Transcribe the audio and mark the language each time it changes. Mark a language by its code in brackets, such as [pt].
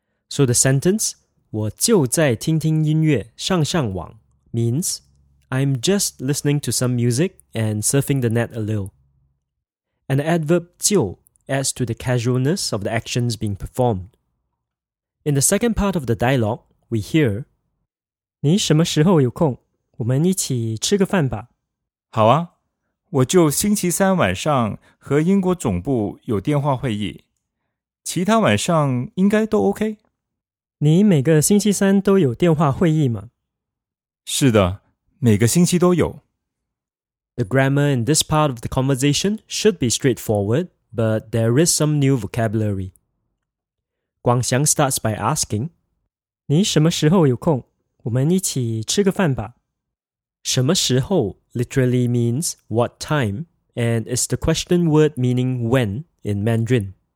[en] So the sentence [zh] 我就在听听音乐上上网 [en] means I'm just listening to some music and surfing the net a little. And the adverb 就adds to the casualness of the actions being performed. In the second part of the dialogue, we hear [zh] 你什么时候有空?我们一起吃个饭吧。好啊,我就星期三晚上和英国总部有电话会议。其他晚上应该都 OK? 你每个星期三都有电话会议吗? 是的,每个星期都有。 [en] The grammar in this part of the conversation should be straightforward,But there is some new vocabulary. Guang Xiang starts by asking, [zh] 你什么时候有空?我们一起吃个饭吧。 [en] 什么时候 literally means what time, and is the question word meaning when in Mandarin.